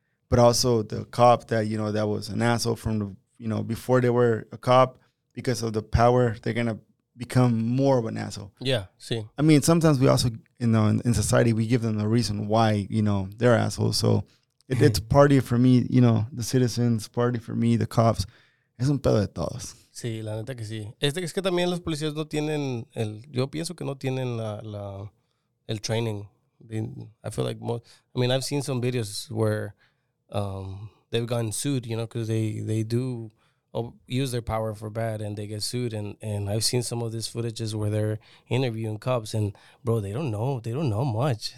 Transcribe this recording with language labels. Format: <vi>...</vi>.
<en>But also the cop that, you know, that was an asshole from, the, you know, before they were a cop, because of the power, they're going to become more of an asshole. Yeah, sí. I mean, sometimes we also, you know, in society, we give them a reason why, you know, they're assholes. So... It's party for me, you know, the citizens, party for me, the cops.</en> <es>Es un pedo de todos. Sí, la neta que sí. Es que también los policías no tienen el... Yo pienso que no tienen el training.</es> <en>I feel like most... I mean, I've seen some videos where they've gotten sued, you know, because they do use their power for bad and they get sued. And I've seen some of these footages where they're interviewing cops and, bro, they don't know. They don't know much.</en>